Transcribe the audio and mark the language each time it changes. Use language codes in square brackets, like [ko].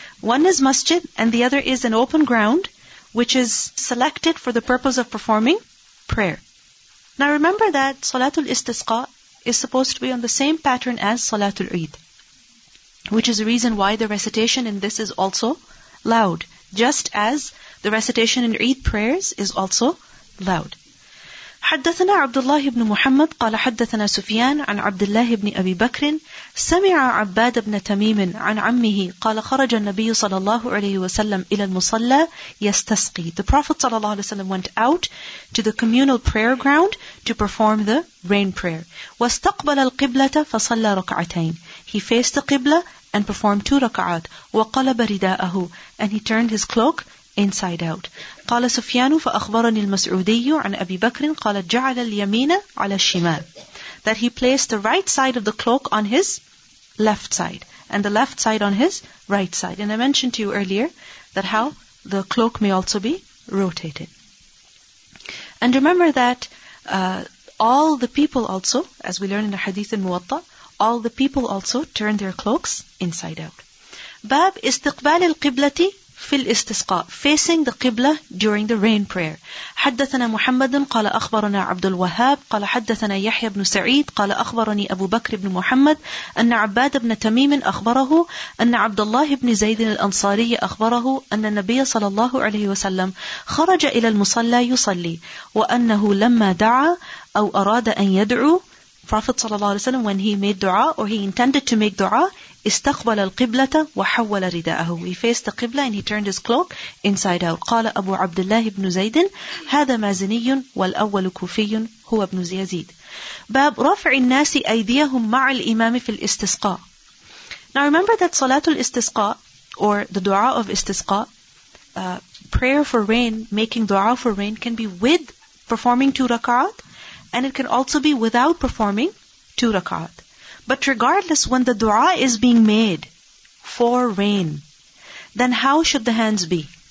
[en] One is masjid and the other is an open ground which is selected for the purpose of performing prayer. Now remember that Salatul Istisqa is supposed to be on the same pattern as Salatul Eid. Which is the reason why the recitation in this is also loud. Just as the recitation in Eid prayers is also loud. [ar] حدثنا عبد الله بن محمد قال حدثنا سفيان عن عبد الله بن أبي بكر سمع عباد بن تميم عن عمه قال خرج النبي صلى الله عليه وسلم إلى المصلى يستسقي [en] The Prophet صلى الله عليه وسلم went out to the communal prayer ground to perform the rain prayer. [ar] واستقبل القبلة فصلى ركعتين [en] He faced the Qibla and performed two rak'at. [ar] وقلب رداءه [en] And he turned his cloak inside out. [ar] قال سفيان فأخبرني المسعودي عن أبي بكر قال جعل اليمين على الشمال [en] That he placed the right side of the cloak on his left side and the left side on his right side. And I mentioned to you earlier that how the cloak may also be rotated. And remember that all the people also, as we learn in the Hadith al-Muwatta, all the people also turn their cloaks inside out. [ar] باب استقبال القبلة في الاستسقاء, [en] facing the قبلة during the rain prayer. [ar] حدثنا محمد قال أخبرنا عبد الوهاب قال حدثنا يحيى بن سعيد قال أخبرني أبو بكر بن محمد أن عباد بن تميم أخبره أن عبد الله بن زيد الأنصاري أخبره أن النبي صلى الله عليه وسلم خرج إلى المصلى يصلي, وأنه لما دعا أو أراد أن يدعو, [en] Prophet صلى الله عليه وسلم, when he made dua or he intended to make dua, [ar] استقبل القبلة وحول رداءه. [en] He faced the قبلة and he turned his cloak inside out. [ar] قال أبو عبد الله بن زيد هذا مازني والأول كوفي هو ابن زيزيد. باب رفع الناس أيديهم مع الإمام في الاستسقاء. [en] Now remember that صلاة الاستسقاء or the dua of استسقاء, prayer for rain, making dua for rain can be with performing two rak'at, and it can also be without performing two rak'at. But regardless, when the dua is being made for rain, then how should the hands be?